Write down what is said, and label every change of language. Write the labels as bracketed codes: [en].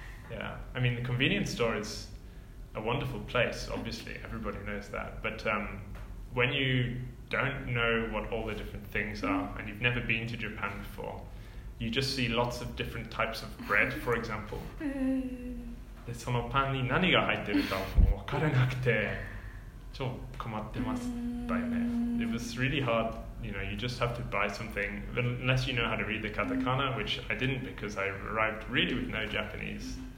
[en] Yeah, I mean, the convenience store is a wonderful place, obviously, everybody knows that. But when you don't know what all the different things are and you've never been to Japan before, you just see lots of different types of bread, for example. [ja] で、そのパンに何が入ってるかもう分からなくて、超困ってましたよね。 [en] It was really hard, you know, you just have to buy something, unless you know how to read the katakana, which I didn't because I arrived really with no Japanese.